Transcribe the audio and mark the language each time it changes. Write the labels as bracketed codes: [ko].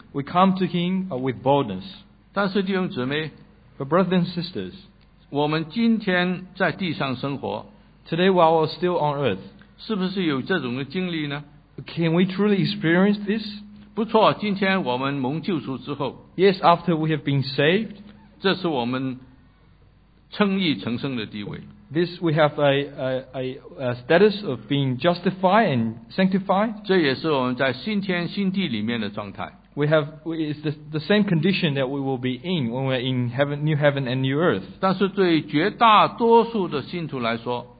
[en] we come to Him with boldness. [zh] 但是弟兄姊妹, [en] but brothers and sisters, [zh] 我们今天在地上生活, [en] today while we're still on earth, [zh] 是不是有这种的经历呢? [en] Can we truly experience this? [zh] 不错,今天我们蒙救赎之后, [en] yes, after we have been saved, [zh] 这是我们称义成圣的地位。 [en] This we have a status of being justified and sanctified. [zh] 这也是我们在新天新地里面的状态。 [en] It's the same condition that we will be in when we're in heaven, new heaven and new earth. [zh] 但是对绝大多数的信徒来说,